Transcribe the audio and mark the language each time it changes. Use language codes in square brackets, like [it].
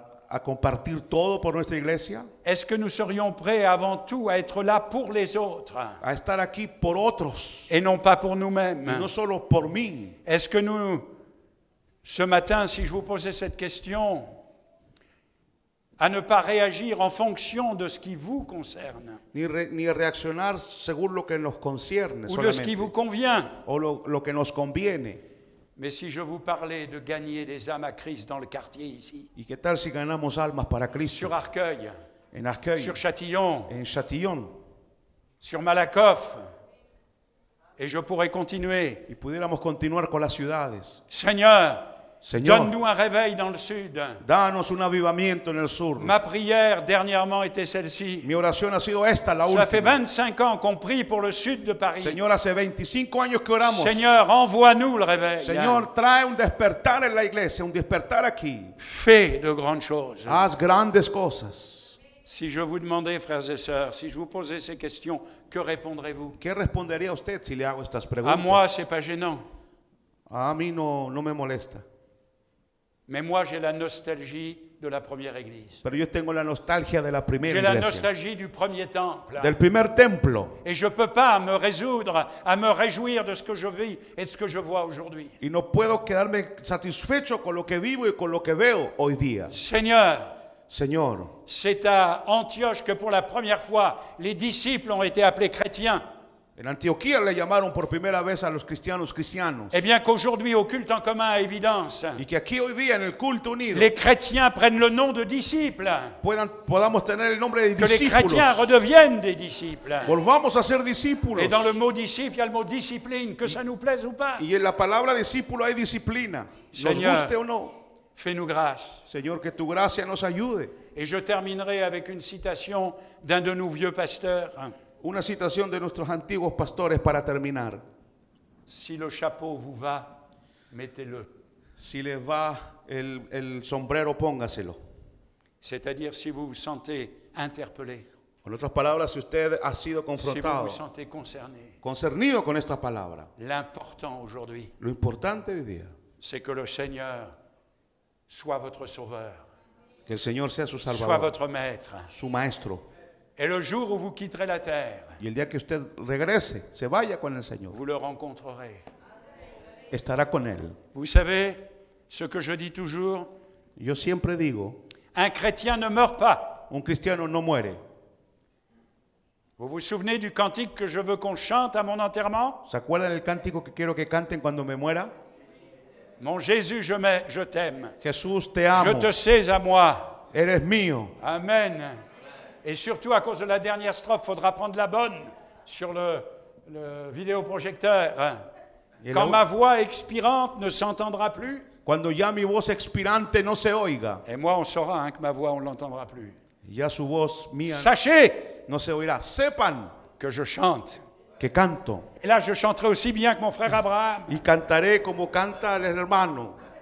[es] A compartir todo por nuestra iglesia? [fr] Est-ce que nous serions prêts avant tout à être là pour les autres? [es] A estar aquí por otros. [fr] Et non pas pour nous-mêmes. [es] Y no solo por mí. [fr] Est-ce que nous, ce matin, si je vous posais cette question, à ne pas réagir en fonction de ce qui vous concerne. [es] Ni reaccionar según lo que nos concierne. [fr] Ou de ce qui vous convient. [es] O lo que nos conviene. [fr] Mais si je vous parlais de gagner des âmes à Christ dans le quartier ici. [es] Y qué tal si ganamos almas para Cristo. [fr] Sur Arcueil. [es] En Arcueil. [fr] Sur Châtillon. En Châtillon. Sur Malakoff. Et je pourrais continuer. [es] Y pudiéramos continuar con las ciudades. [fr] Seigneur. [es] Señor, [fr] donne-nous un réveil dans le sud. [es] Danos un avivamiento en el sur. [fr] Ma prière dernièrement était celle-ci. [es] Mi oración ha sido esta, la [fr] Cela [es] última. [fr] Ça fait 25 ans qu'on prie pour le sud de Paris. [es] Señor, hace 25 años que oramos. [fr] Seigneur, envoie-nous le réveil. [es] Señor, trae un despertar en la iglesia, un despertar aquí. [fr] Fais de grandes choses. [es] Haz grandes cosas. [fr] Si je vous demandais, frères et sœurs, si je vous posais ces questions, que répondrez-vous? [es] ¿Qué respondería usted si le hago estas preguntas? [fr] À moi, c'est pas gênant. [es] A mí no me molesta. [fr] Mais moi, j'ai la nostalgie de la première église. [es] Pero yo tengo la nostalgia de la primera iglesia. [fr] J'ai la nostalgie du premier temple. [es] Del primer templo. [fr] Et je peux pas me résoudre à me réjouir de ce que je vis et de ce que je vois aujourd'hui. [es] Y no puedo quedarme satisfecho con lo que vivo y con lo que veo hoy día. [fr] Seigneur. [es] Señor. [fr] C'est à Antioche que pour la première fois les disciples ont été appelés chrétiens. [es] En Antioquía le llamaron por primera vez a los cristianos cristianos. [fr] Et bien qu'aujourd'hui au culte en commun à évidence. [es] Y que aquí hoy día en el culto unido. [fr] Les chrétiens prennent le nom de disciples. [es] Podamos tener el nombre de discípulos. [fr] Que les chrétiens redeviennent des disciples. [es] Volvamos a ser discípulos. [fr] Et dans le mot disciple, il y a le mot discipline, que ça nous plaise ou pas. [es] Y en la palabra discípulo hay disciplina. [fr] Seigneur, [es] nos guste o no. [fr] Fais-nous grâce. [es] Señor, que tu gracia nos ayude. [fr] Et je terminerai avec une citation d'un de nos vieux pasteurs. [es] Una citación de nuestros antiguos pastores para terminar. [fr] Si le chapeau vous va, mettez-le. [es] Si les va el sombrero, póngaselo. [fr] C'est-à-dire si vous vous sentez interpellé. [es] En otras palabras, si usted ha sido confrontado, [fr] si vous vous sentez concerné, [es] concernido con esta palabra, [fr] l'important aujourd'hui, [es] lo importante hoy día, [fr] c'est que le Seigneur soit votre sauveur, [es] que el Señor sea su salvador, [fr] soit votre maître, [es] su maestro. [fr] Et le jour où vous quitterez la terre, [es] y el día que usted regrese, se vaya con el Señor, [fr] vous le rencontrerez, [es] estará con él. [fr] Vous savez ce que je dis toujours? [es] Yo siempre digo, [fr] un chrétien ne meurt pas. [es] Un cristiano no muere. [fr] Vous vous souvenez du cantique que je veux qu'on chante à mon enterrement? [es] ¿Se acuerdan del cántico que quiero que canten cuando me muera? [fr] Mon Jésus, je t'aime. [es] Jesús, te amo. [fr] Je te sais à moi. [es] Eres mío. [fr] Amen. Et surtout, à cause de la dernière strophe, faudra prendre la bonne sur le vidéoprojecteur. Quand ma voix expirante ne s'entendra plus. [es] Cuando ya mi voz expirante no se oiga. [fr] Et moi, on saura que ma voix, on ne l'entendra plus. [es] Ya su voz mía. [fr] Sachez. [es] No se oirá. Sepan. [fr] Que je chante. [es] Que canto. [fr] Et là, je chanterai aussi bien que mon frère Abraham. [es] Y cantaré como canta el hermano.